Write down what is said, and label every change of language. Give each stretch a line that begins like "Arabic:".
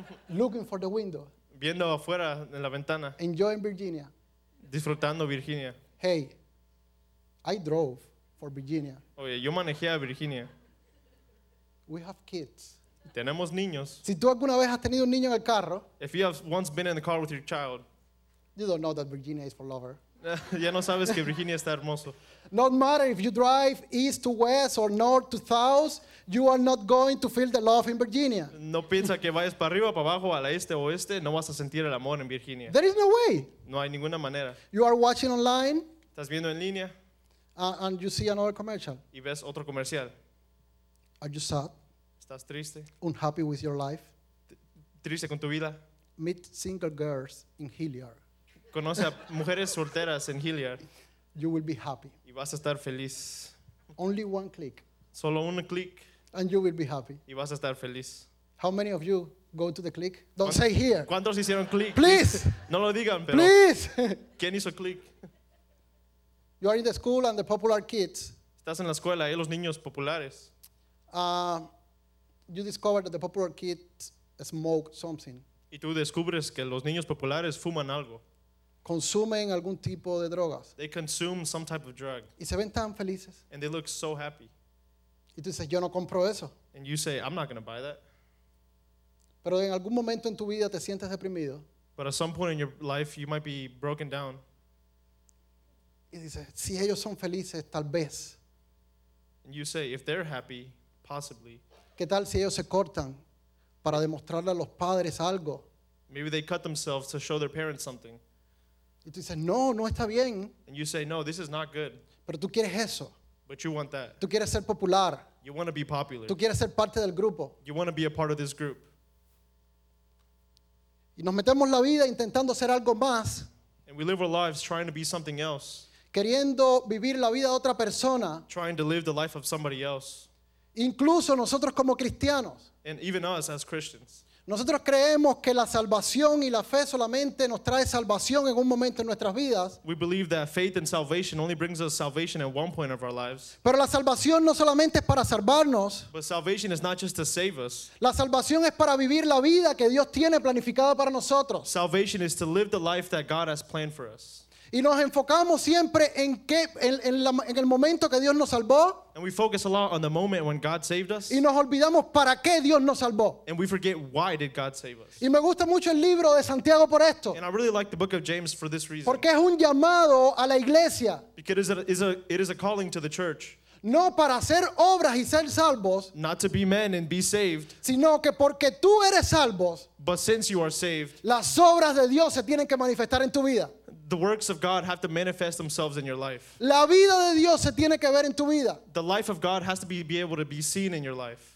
English: Looking for the window.
Spanish: Viendo afuera en la ventana.
English: Enjoying Virginia.
Spanish: Disfrutando Virginia.
English: Hey, I drove for Virginia.
Spanish: Oye, yo manejé a Virginia.
English: We have kids.
Spanish: Tenemos niños. Si tú alguna vez has tenido un niño en el carro.
English: If you have once been in the car with your child. You don't know that Virginia is for lover.
Spanish: Ya no sabes que Virginia está hermoso.
English: No matter if you drive east to west or north to south, you are not going to feel the love in Virginia.
Spanish: No piensa que vayas para arriba, para abajo, a la este o oeste, no vas a sentir el amor en Virginia.
English: There is no way.
Spanish: No hay ninguna manera.
English: You are watching online.
Spanish: Estás viendo en línea.
English: And you see another commercial.
Spanish: Y ves otro comercial.
English: Are you sad?
Spanish: Estás triste.
English: Unhappy with your life.
Spanish: Triste con tu vida.
English: Meet single girls in Hilliard.
Spanish: Conoce a mujeres solteras en Hilliard.
English: You will be happy.
Spanish: Y vas a estar feliz.
English: Only one click.
Spanish: Solo un click.
English: And you will be happy.
Spanish: Y vas a estar feliz.
English: How many of you go to the click? Don't say here.
Spanish: ¿Cuántos hicieron click?
English: Please.
Spanish: No lo digan, pero.
English: Please.
Spanish: ¿Quién hizo click?
English: You are in the school and the popular kids.
Spanish: Estás en la escuela y los niños populares.
English: You discover that the popular kids smoke something.
Spanish: Y tú descubres que los niños populares fuman algo. Consumen algún tipo de drogas.
English: They consume some type of drug.
Spanish: Y se ven tan felices.
English: And they look so happy.
Spanish: Y tú dices, yo no compro eso.
English: And you say, I'm not going to buy that.
Spanish: Pero en algún momento en tu vida te sientes deprimido.
English: But at some point in your life, you might be broken down.
Spanish: Y dices, si ellos son felices, tal vez.
English: And you say, if they're happy, possibly.
Spanish: ¿Qué tal si ellos se cortan para demostrarle a los padres algo?
English: Maybe they cut themselves to show their parents something.
Spanish: Y tú dices, no, no está bien.
English: And you say, no, this is not good.
Spanish: Pero tú quieres eso.
English: But you want that.
Spanish: Tú quieres ser popular.
English: You want to be popular.
Spanish: Tú quieres ser parte del grupo.
English: You want to be a part of this group.
Spanish: Y nos metemos la vida intentando ser algo más.
English: And we live our lives trying to be something else.
Spanish: Queriendo vivir la vida de otra persona.
English: Trying to live the life of somebody else.
Spanish: Incluso nosotros como cristianos.
English: And even us as Christians.
Spanish: Nosotros creemos que la salvación y la fe solamente nos trae salvación en un momento en nuestras vidas.
English: We believe that faith and salvation only brings us salvation at one point of our lives.
Spanish: Pero la salvación no solamente es para salvarnos.
English: But salvation is not just to save us.
Spanish: La salvación es para vivir la vida que Dios tiene planificada para nosotros.
English: Salvation is to live the life that God has planned for us.
Spanish: Y nos enfocamos siempre en qué, en el momento que Dios nos salvó.
English: And we focus a lot on the moment when God saved us.
Spanish: Y nos olvidamos para qué Dios nos salvó.
English: And we forget why did God save us.
Spanish: Y me gusta mucho el libro de Santiago por esto.
English: And I really like the book of James for this reason.
Spanish: Porque es un llamado a la iglesia.
English: Because it is a calling to the church.
Spanish: No para hacer obras y ser salvos.
English: Not to be men and be saved.
Spanish: Sino que porque tú eres salvos.
English: But since you are saved.
Spanish: Las obras de Dios se tienen que manifestar en tu vida.
English: The works of God have to manifest themselves in your life.
Spanish: La vida de Dios se tiene que ver en tu vida.
English: The life of God has to be able to be seen in your life.